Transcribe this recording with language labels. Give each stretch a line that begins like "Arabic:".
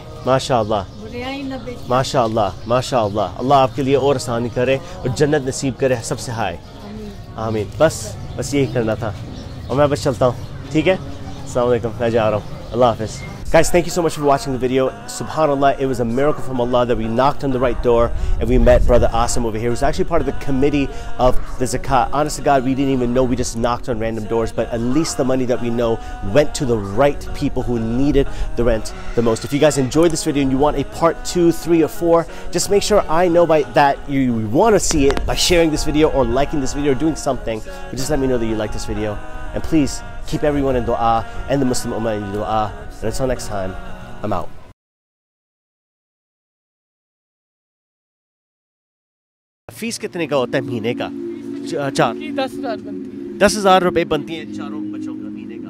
Hindi: माशाल्लाह माशाल्लाह माशाल्लाह अल्लाह आपके लिए और आसानी करे और जन्नत नसीब करे सबसे हाय आमीन बस बस यही करना था और मैं बस चलता हूँ ठीक है अस्सलामुअलैकुम मैं जा रहा हूँ अल्लाह हाफिज़
English: Guys, thank you so much for watching the video. SubhanAllah, it was a miracle from Allah that we knocked on the right door and we met Brother Asim over here. He was actually part of the committee of the Zakat. Honest to God, we didn't even know. We just knocked on random doors. But at least the money that we know went to the right people who needed the rent the most. If you guys enjoyed this video and you want a part 2, 3, or 4, just make sure I know by that you want to see it by sharing this video or liking this video or doing something. But just let me know that you like this video. And please keep everyone in dua and the Muslim Ummah in dua. And until next time, I'm out.
Hindi: Fees कितने का होता है महीने का चार 10,000 रुपए बनती है चारों बच्चों का महीने का